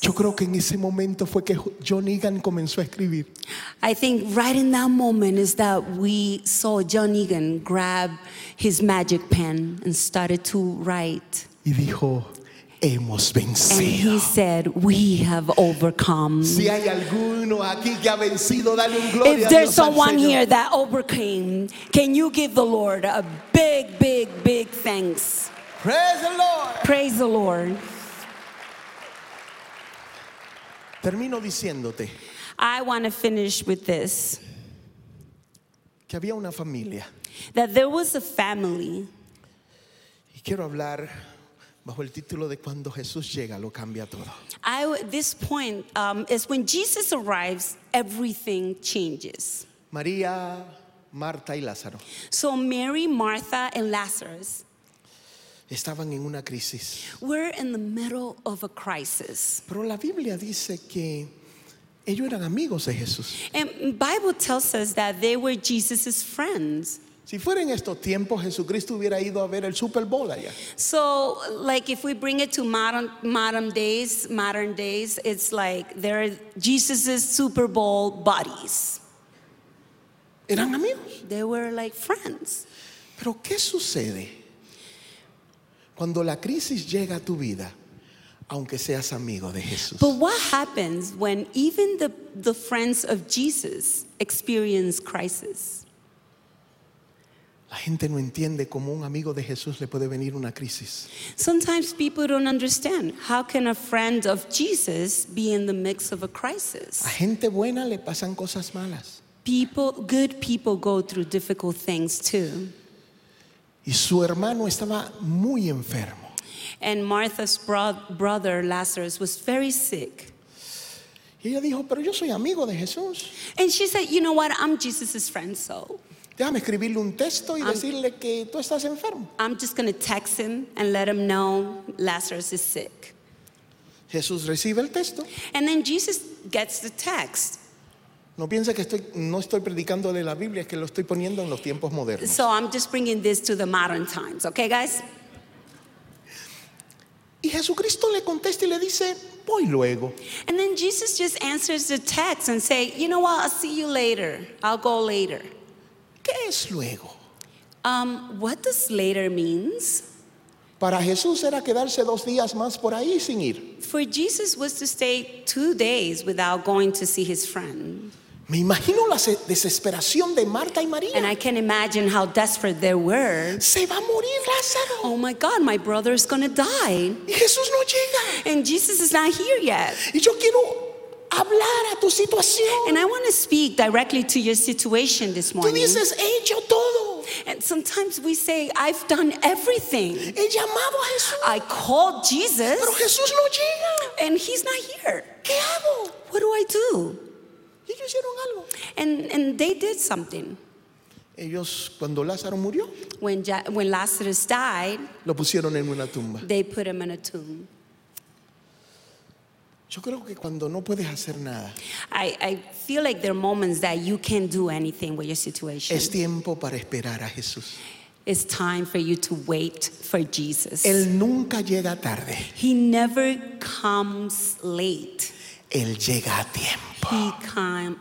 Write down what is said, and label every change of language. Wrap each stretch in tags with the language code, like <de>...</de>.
<es>Yo creo que en ese momento fue que John Egan comenzó a escribir.</es> <en>I think right in that moment is that we saw John Egan grab his magic pen and started to write.</en> <es>Y dijo, hemos vencido.</es> <en>And he said, we have overcome.</en> <es>Si hay alguno aquí que ha vencido, dale un gloria.</es> <en>If there's</en> <es>Dios</es> <en>someone</en> <es>al Señor</es> <en>here that overcame, can you give the Lord a big, big, big thanks? Praise the Lord. Praise the Lord.</en> <es>Termino diciéndote,</es> <en>I want to finish with this.</en> <es>Que había una familia.</es> <en>That there was a family.</en> <es>Y quiero hablar bajo el título de cuando Jesús llega lo cambia todo.</es> <en>This point is when Jesus arrives, everything changes.</en> <es>María, Marta y Lázaro.</es> <en>So Mary, Martha and Lazarus</en> <es>estaban en una crisis.</es> <en>We're in the middle of a crisis.</en> <es>Pero la Biblia dice que ellos eran amigos de Jesús.</es> <en>And Bible tells us that they were Jesus's friends.</en> <es>Si fuera en estos tiempos, Jesucristo hubiera ido a ver el Super Bowl allá.</es> <en>So, like, if we bring it to modern days, it's like there are Jesus' Super Bowl buddies.</en> <es>Eran amigos.</es> <en>They were like friends.</en> <es>Pero ¿qué sucede cuando la crisis llega a tu vida, aunque seas amigo de Jesús?</es> <en>But what happens when even the friends of Jesus experience crisis?</en> <es>La gente no entiende cómo un amigo de Jesús le puede venir una crisis.</es> <en>Sometimes people don't understand how can a friend of Jesus be in the mix of a crisis.</en> <es>A gente buena le pasan cosas malas.</es> <en>Good people go through difficult things too.</en> <es>Y su hermano estaba muy enfermo.</es> <en>And Martha's brother Lazarus was very sick.</en> <es>Y ella dijo, pero yo soy amigo de Jesús.</es> <en>And she said, you know what, I'm Jesus's friend, so.</en> <es>Déjame escribirle un texto y decirle que tú estás enfermo.</es> <en>I'm just going to text him and let him know Lazarus is sick.</en> <es>Jesús recibe el texto.</es> <en>And then Jesus gets the text.</en> <es>No piense que no estoy predicando de la Biblia, es que lo estoy poniendo en los tiempos modernos.</es> <en>So I'm just bringing this to the modern times, okay, guys?</en> <es>Y Jesucristo le contesta y le dice, voy luego.</es> <en>And then Jesus just answers the text and say, you know what, I'll see you later. I'll go later.</en> <es>¿Qué es luego?</es> <en>What does later means?</en> <es>Para Jesús era quedarse 2 días más por ahí sin ir.</es> <en>For Jesus was to stay 2 days without going to see his friend.</en> <es>Me imagino la desesperación de Marta y María.</es> <en>And I can imagine how desperate they were.</en> <es>Se va a morir Lázaro.</es> <en>Oh my God, my brother is going to die.</en> <es>Y Jesús no llega.</es> <en>And Jesus is not here yet.</en> <es>Y yo quiero hablar a tu situación.</es> <en>And I want to speak directly to your situation this morning.</en> <es>Tú dices, he hecho todo.</es> <en>And sometimes we say, I've done everything.</en> <es>He llamado a Jesús.</es> <en>I called Jesus.</en> <es>Pero Jesús no llega.</es> <en>And he's not here.</en> <es>¿Qué hago?</es> <en>What do I do?</en> <es>Ellos hicieron algo.</es> <en>And they did something.</en> <es>Ellos, cuando Lázaro murió,</es> <en>when Lazarus died,</en> <es>lo pusieron en una tumba.</es> <en>They put him in a tomb.</en> <es>Yo creo que cuando no puedes hacer nada,</es> <en>I feel like there are moments that you can't do anything with your situation.</en> <es>Es tiempo para esperar a Jesús.</es> <en>It's time for you to wait for Jesus.</en> <es>Él nunca llega tarde.</es> <en>He never comes late.</en> <es>Él llega a tiempo.</es>